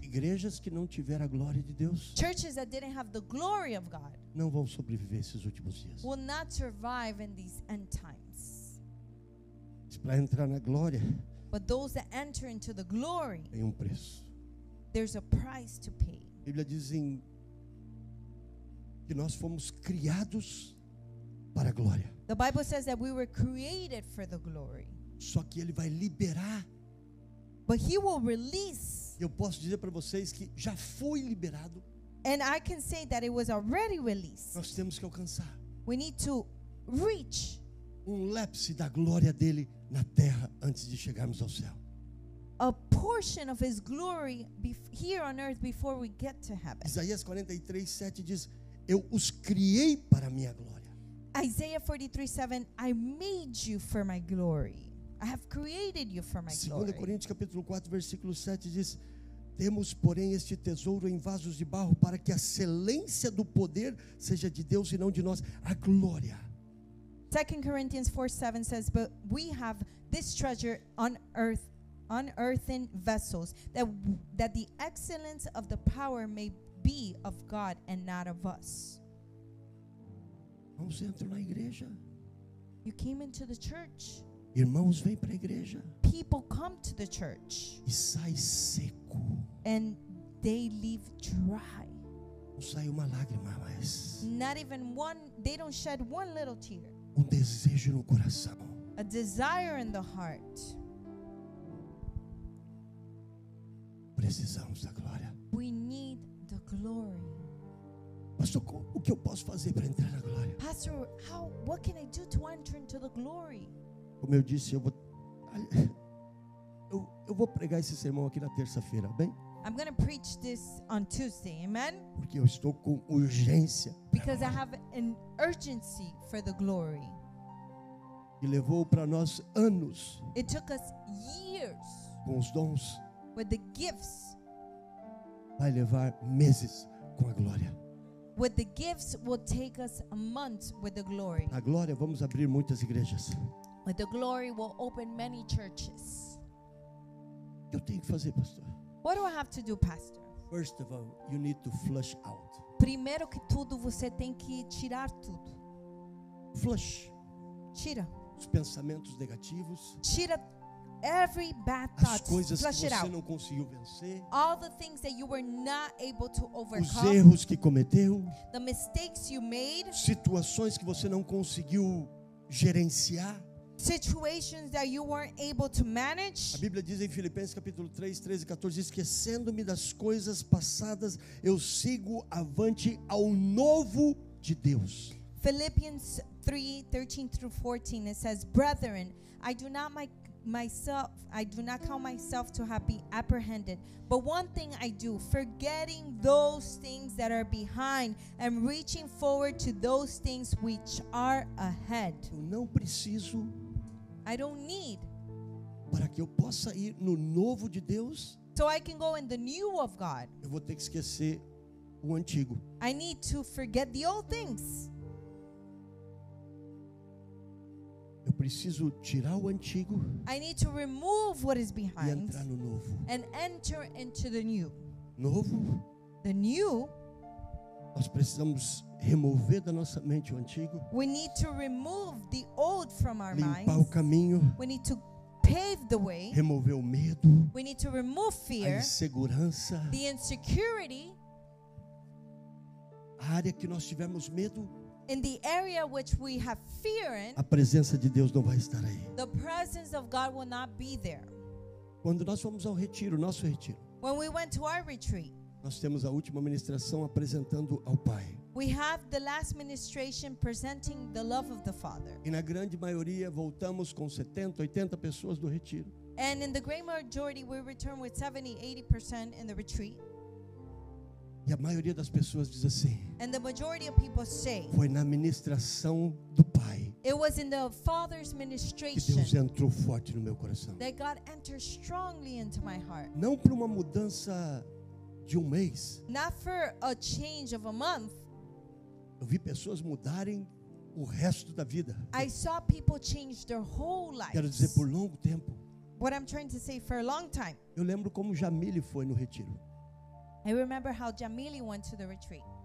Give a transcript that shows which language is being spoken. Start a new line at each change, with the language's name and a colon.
Portuguese: Igrejas que não tiver a glória de Deus.
English: Churches that didn't have the glory of God.
Portuguese: Não vão sobreviver esses últimos dias.
English: Will not survive in these end times.
Portuguese: Para entrar na glória.
English: But those that enter into the glory.
Portuguese: Tem preço.
English: There's a price to pay.
Portuguese: A Bíblia diz em que nós fomos criados para a glória.
English: The Bible says that we were created for the glory.
Portuguese: Só que ele vai liberar.
English: But he will release.
Portuguese: Eu posso dizer para vocês que já foi liberado.
English: And I can say that it was already released.
Portuguese: Nós temos que alcançar.
English: We need to reach.
Portuguese: Lapse da glória dele na terra antes de chegarmos ao céu.
English: A portion of his glory here on earth before we get to heaven.
Portuguese: Isaías 43:7 diz: Eu os criei para minha glória.
English: Isaiah 43:7, I made you for my glory. I have created you for my glory. 2
Portuguese: Coríntios capítulo 4, versículo 7 diz: temos, porém, este tesouro em vasos de barro, para que a excelência do poder seja de Deus e não de nós. A glória.
English: 2 Corinthians 4, 7 says: but we have this treasure on earth, on earthen vessels, that the excellence of the power may be of God and not of us.
Portuguese: Vamos entrar na igreja.
English: You came into the church.
Portuguese: Irmãos, vem para a igreja.
English: People come to the church.
Portuguese: E sai seco.
English: And they leave dry.
Portuguese: Não sai uma lágrima mais.
English: Not even one, they don't shed one little tear.
Portuguese: Um desejo no coração.
English: A desire in the heart.
Portuguese: Precisamos da glória.
English: We need the glory.
Portuguese: Pastor, o que eu posso fazer para entrar na glória?
English: Pastor, how, what can I do to enter into the glory?
Portuguese: Como eu disse, eu vou pregar esse sermão aqui na terça-feira, bem?
English: I'm going to preach this on Tuesday, amen?
Portuguese: Porque eu estou com urgência.
English: Because I have an urgency for the glory.
Portuguese: E levou para nós anos.
English: It took us years.
Portuguese: Com os dons.
English: With the gifts.
Portuguese: Vai levar meses com a glória.
English: With the gifts will take us months with the glory.
Portuguese: Na glória vamos abrir muitas igrejas.
English: With the glory will open many churches.
Portuguese: Eu tenho que fazer, pastor.
English: What do I have to do, pastor? First of all, you need to flush out.
Portuguese: Primeiro que tudo, você tem que tirar tudo.
English: Flush.
Portuguese: Tira. Os pensamentos negativos. Tira
English: every bad thought.
Portuguese: As coisas
English: flush
Portuguese: que
English: it
Portuguese: você
English: out.
Portuguese: Não conseguiu vencer.
English: All the things that you were not able to overcome.
Portuguese: Os erros que cometeu.
English: The mistakes you made.
Portuguese: Situações que você não conseguiu gerenciar.
English: Situations that you weren't able to manage.
Portuguese: A Bíblia diz em Filipenses capítulo 3, 13 e 14: esquecendo-me das coisas passadas, eu sigo avante ao novo de Deus.
English: Philippians 3, 13 through 14, it says: brethren, I do not count myself to have been apprehended, but one thing I do, forgetting those things that are behind and reaching forward to those things which are ahead.
Portuguese: Eu não preciso.
English: I don't need.
Portuguese: Para que eu possa ir no novo de Deus.
English: So I can go in the new of God.
Portuguese: Eu vou ter que esquecer o antigo.
English: I need to forget the old things.
Portuguese: Eu preciso tirar o antigo.
English: I need to remove what is behind.
Portuguese: E entrar no novo.
English: And enter into the new.
Portuguese: Novo.
English: The new.
Portuguese: Nós precisamos remover da nossa mente o antigo.
English: We need to remove the old from our minds.
Portuguese: Limpar o caminho.
English: We need to pave the way.
Portuguese: Remover o medo.
English: We need to remove fear.
Portuguese: A insegurança.
English: The insecurity.
Portuguese: A área que nós tivemos medo.
English: In the area which we have fear in.
Portuguese: A presença de Deus não vai estar aí.
English: The presence of God will not be there.
Portuguese: Quando nós fomos ao retiro, nosso retiro.
English: When we went to our retreat.
Portuguese: Nós temos a última ministração apresentando ao Pai.
English: We have the last ministration presenting the love of the Father.
Portuguese: E na grande maioria voltamos com 70, 80 pessoas do retiro.
English: And in the great majority we return with 70, 80% in the retreat.
Portuguese: E a maioria das pessoas diz assim.
English: And the majority of people say.
Portuguese: Foi na ministração do Pai.
English: It was in the Father's ministration.
Portuguese: Que Deus entrou forte no meu coração.
English: That God entered strongly into my heart.
Portuguese: Não para uma mudança de um mês.
English: Not for a change of a month.
Portuguese: Eu vi pessoas mudarem o resto da vida.
English: I saw people change their whole lives.
Portuguese: Quero dizer, por longo tempo.
English: What I'm trying to say, for a long time.
Portuguese: Eu lembro como Jamile foi no retiro.
English: I remember how Jamile went to the retreat.